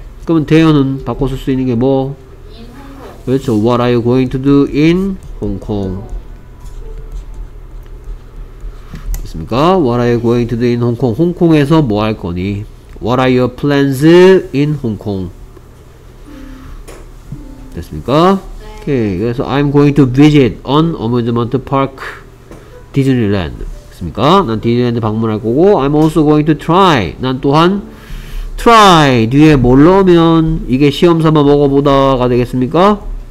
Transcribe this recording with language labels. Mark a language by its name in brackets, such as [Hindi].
[Korean] 그러면 대여는 바꿔 쓸 수 있는 게 뭐? [English] In [Korean] 그렇죠. [English] What are you going to do in Hong Kong? [Korean] 있습니까? [English] What are you going to do in Hong Kong? [Korean] 홍콩에서 뭐 할 거니? [English] What are your plans in Hong Kong? [Korean] 됐습니까? 네. [English] Okay. 그래서 I'm going to visit an amusement park, Disneyland. [Korean] 됐습니까? 난 디즈니랜드 방문할 거고 [English] I'm also going to try. [Korean] 난 또한 try 뒤에 뭘 넣으면 이게 시험삼아 먹어보다가 되겠습니까?